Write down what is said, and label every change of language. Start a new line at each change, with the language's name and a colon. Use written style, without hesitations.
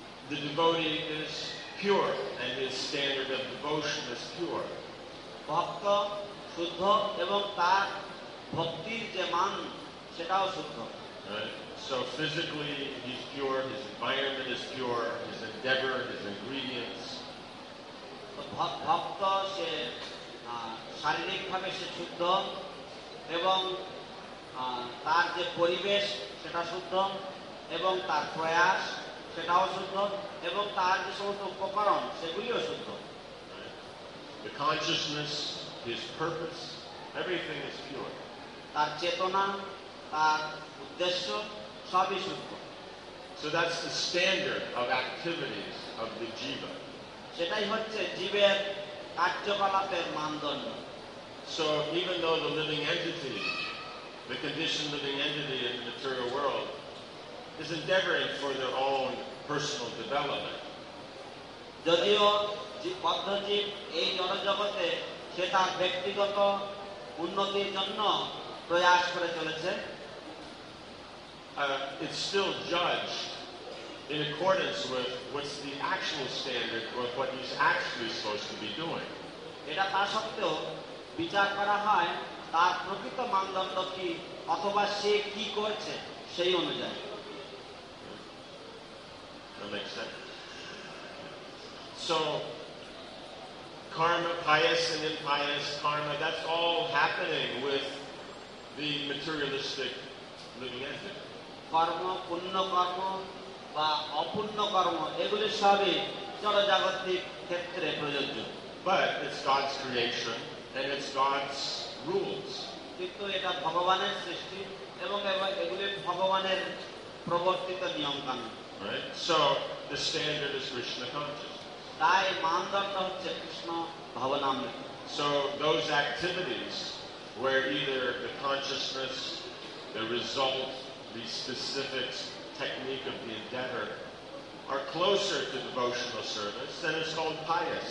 English: The devotee is pure and his standard of devotion is pure.
Bangla: Bhakta shuddha evam tar bhaktir je man setao shuddha.
English: So physically he's pure, his environment is pure, his endeavor, his ingredients,
Bangla: ভক্ত সে শারীরিকভাবে সে শুদ্ধ এবং তার যে পরিবেশ সেটা শুদ্ধ এবং তার প্রয়াস সেটাও শুদ্ধ এবং তার যে সমস্ত উপকরণ সেগুলিও শুদ্ধ
English: The consciousness, his purpose, everything is pure.
Bangla: তার চেতনা তার উদ্দেশ্য সবই শুদ্ধ
English: So that's the standard of activities of the jiva.
Bangla: সেটাই হচ্ছে জীবের কার্যকলাপের মানদণ্ড
English: So even though the living entity, the conditioned living entity in the material world, is endeavoring for their own personal development.
Bangla: যদিও বদ্ধজীব এই জনজগতে সে তার ব্যক্তিগত উন্নতির জন্য প্রয়াস করে চলেছে
English: It's still judged in accordance with what's the actual standard or what he's actually supposed to be doing.
Bangla: এটা তা সত্ত্বেও বিচার করা হয় তার প্রকৃত মানদণ্ড কি অথবা সে কি করছে সেই অনুযায়ী
English: That makes sense. So, karma, pious and impious karma, that's all happening with the materialistic living entity.
Bangla: কর্ম পুণ্য কর্ম বা অপুণ্য কর্ম এগুলি সবই জড়জাগতিক ক্ষেত্রে প্রযোজ্য
English: But it's God's creation and it's God's rules.
Bangla: কিন্তু এটা ভগবানের সৃষ্টি এবং এগুলি ভগবানের প্রবর্তিত নিয়ম কানুন
English: Right? So the standard is Krishna consciousness.
Bangla: তাই মানদণ্ড হচ্ছে Krishna ভাবনামৃত
English: So those activities where either the consciousness, the result, the specific technique of the endeavor are closer to devotional service, then it's called pious.